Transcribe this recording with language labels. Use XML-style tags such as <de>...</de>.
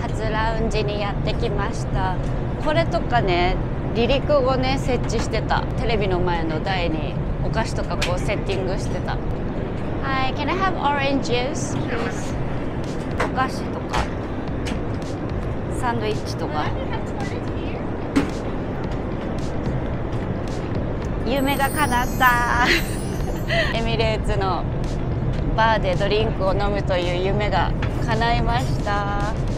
<ja>ラウンジにやってきました。これとかね、離陸後ね設置してた。テレビの前の台にお菓子とかこうセッティングしてた。</ja> <en>Hi, can I have orange juice, please?</en> <ja>お菓子とかサンドイッチとか。夢が叶ったエミレーツのバーでドリンクを飲むという夢が叶いました。</ja>